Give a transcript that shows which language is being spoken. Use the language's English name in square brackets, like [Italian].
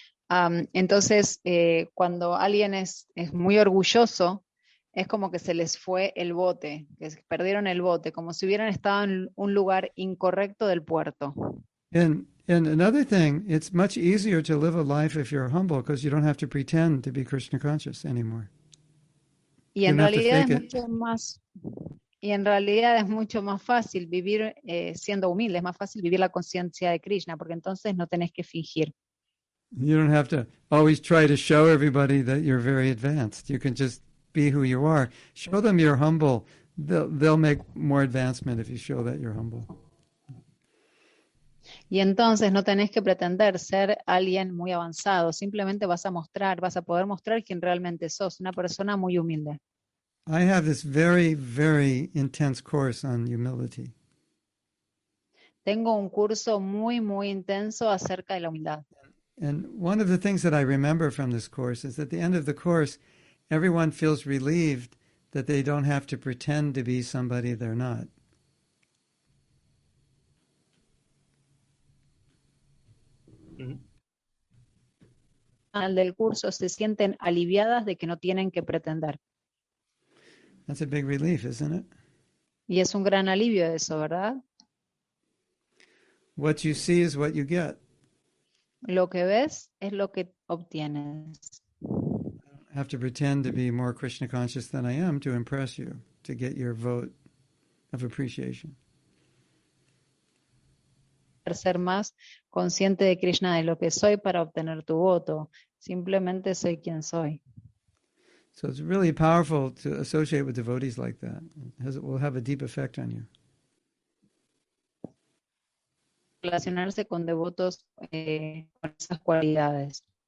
[Spanish] Entonces, cuando alguien es muy orgulloso, es como que se les fue el bote, que perdieron el bote, como si hubieran estado en un lugar incorrecto del puerto. [English] And another thing, it's much easier to live a life if you're humble because you don't have to pretend to be Krishna conscious anymore. [Spanish] Y en realidad es mucho más fácil vivir siendo humilde, es más fácil vivir la conciencia de Krishna, porque entonces no tenés que fingir. [English] You don't have to always try to show everybody that you're very advanced. You can just be who you are. Show them you're humble. They'll make more advancement if you show that you're humble. [Spanish] Y entonces no tenés que pretender ser alguien muy avanzado. Simplemente vas a poder mostrar quién realmente sos, una persona muy humilde. [English] I have this very, very intense course on humility. [Spanish] Tengo un curso muy, muy intenso acerca de la humildad. [English] And one of the things that I remember from this course is that at the end of the course, everyone feels relieved that they don't have to pretend to be somebody they're not. [Spanish] Al del curso se sienten aliviadas de que no tienen que pretender. [English] That's a big relief, isn't it? [Spanish] Y es un gran alivio eso, ¿verdad? [English] What you see is what you get. [Spanish] Lo que ves es lo que obtienes. [English] I don't have to pretend to be more Krishna conscious than I am to impress you, to get your vote of appreciation. [Spanish] Ser más consciente de Krishna, de lo que soy para obtener tu voto. Simplemente soy quien soy. [English] So it's really powerful to associate with devotees like that. It will have a deep effect on you. [Spanish] Relacionarse con devotos con esas cualidades.